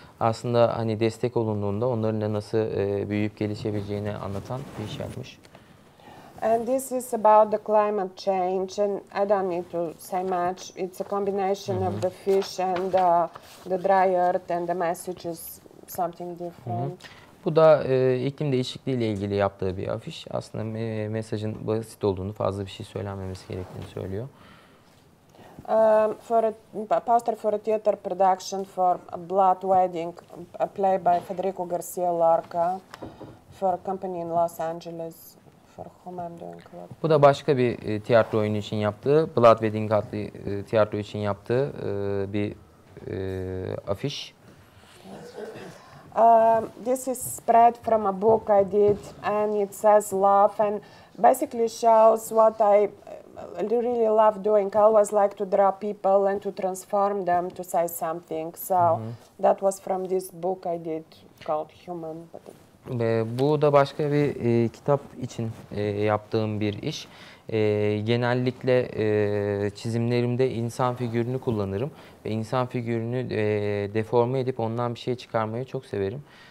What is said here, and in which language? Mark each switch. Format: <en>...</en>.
<tr>Aslında hani destek olunduğunda onların da nasıl büyüyüp gelişebileceğini anlatan bir iş yapmış.</tr> <en>And this is about the climate change and I don't need to say much. It's a combination of the fish and the dry earth and the message is something different.</en> <tr>Bu da iklim değişikliği ile ilgili yaptığı bir afiş. Aslında mesajın basit olduğunu, fazla bir şey söylenmemesi gerektiğini söylüyor.</tr> <en>For a poster for a theater production for a Blood Wedding, a play by Federico Garcia Lorca for a company in Los Angeles for whom I'm doing work.</en> <tr>Bu da başka bir tiyatro oyunu için yaptığı, Blood Wedding adlı tiyatro için yaptığı bir afiş.</tr> <en>This is spread from a book I did and it says love and basically shows what I really love doing. I always like to draw people and to transform them to say something. So that was from this book I did called Human.</en> <tr>Bu da başka bir kitap için yaptığım bir iş. Genellikle çizimlerimde insan figürünü kullanırım ve insan figürünü deforme edip ondan bir şey çıkarmayı çok severim.</tr>